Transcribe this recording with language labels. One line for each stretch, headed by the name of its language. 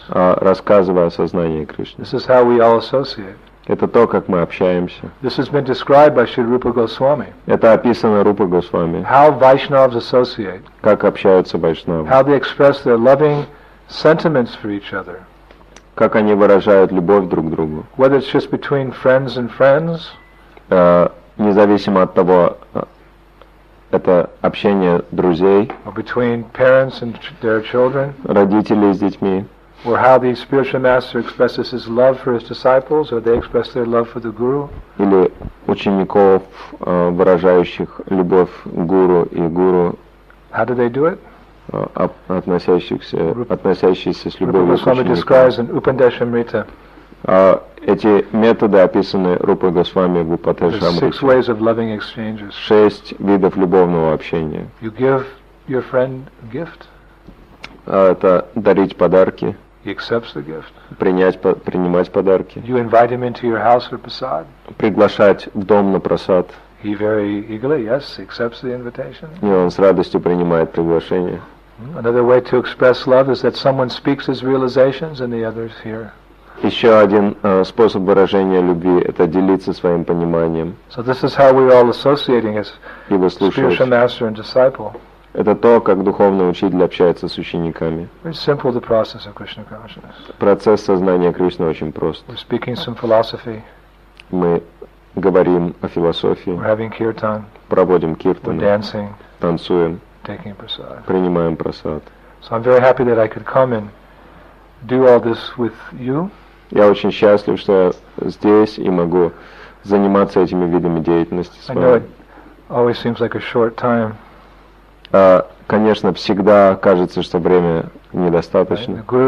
Russian: Рассказывая о сознании Кришны.
English: This is how we all associate.
Russian: Это то, как мы общаемся.
English: This has been described by Shri Rupa Goswami.
Russian: Это описано Рупа Госвами.
English: How Vaishnavas associate.
Russian: Как общаются Вайшнавы.
English: How they express their loving sentiments for each other.
Russian: Как они выражают любовь друг к другу.
English: Whether it's just between friends and friends.
Russian: Независимо от того, это общение друзей.
English: Or between parents and their children.
Russian: Родителей с детьми.
English: Or how the spiritual master expresses his love for his disciples, or they express their love for the guru.
Russian: Или учеников, выражающих любовь гуру и гуру.
English: How do they do it?
Russian: Относящиеся с любовью к ученикам.
English: Rupa Goswami describes in Upadeshamrita.
Russian: Эти методы описаны Рупой Госвами в Упадешамрите.
English: Six ways of loving exchanges.
Russian: Шесть видов любовного общения.
English: You give your friend a gift.
Russian: Это дарить подарки.
English: He accepts the gift.
Russian: Принимать подарки.
English: You invite him into your house for prasad.
Russian: Приглашать в дом на прасад.
English: He very eagerly, yes, accepts the invitation.
Russian: И он с радостью принимает приглашение.
English: Another way to express love is that someone speaks his realizations and the others hear.
Russian: Еще один способ выражения любви – это делиться своим пониманием.
English: So this is how we're all associating as spiritual master and disciple.
Russian: Это то, как духовный учитель общается с учениками.
English: It's simple, the process of Krishna consciousness.
Russian: Процесс сознания Кришны очень прост.
English: We're speaking some philosophy.
Russian: Мы говорим о философии.
English: We're having kirtan.
Russian: Проводим киртаны.
English: We're dancing.
Russian: Танцуем.
English: Taking prasad.
Russian: Принимаем прасад.
English: So I'm very happy that I could come and do all this with you.
Russian: Я очень счастлив, что я здесь и могу заниматься этими видами деятельности с вами.
English: I know it always seems like a short time.
Russian: Конечно, всегда кажется, что время недостаточно.